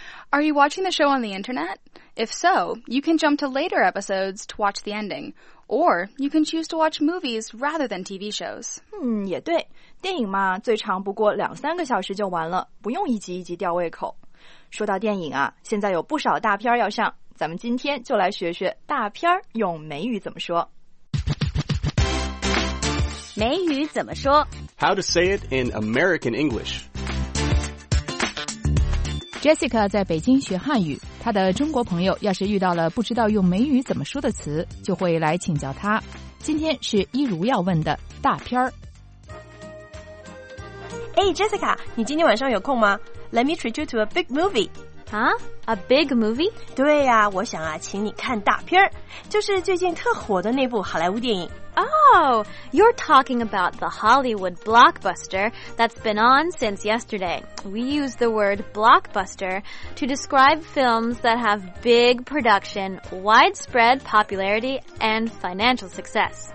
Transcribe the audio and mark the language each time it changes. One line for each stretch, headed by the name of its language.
English: Are you watching the show on the internet? If so, you can jump to later episodes to watch the ending, or you can choose to watch movies rather than TV shows.
Chinese: 也对，电影嘛，最长不过两三个小时就完了，不用一集一集吊胃口。说到电影啊，现在有不少大片要上，咱们今天就来学学大片用美语怎么说。美语怎么说？
English: How to say it in American English.
Chinese: Jessica 在北京学汉语，她的中国朋友要是遇到了不知道用美语怎么说的词，就会来请教她。今天是一如要问的大片。 Hey Jessica, 你今天晚上有空吗？
English: Let me treat you to a big movie. Huh? A big movie?
Chinese: 对呀、啊、我想啊请你看大片儿，就是最近特火的那部好莱坞电影。
English: Oh, you're talking about the Hollywood blockbuster that's been on since yesterday. We use the word blockbuster to describe films that have big production, widespread popularity, and financial success.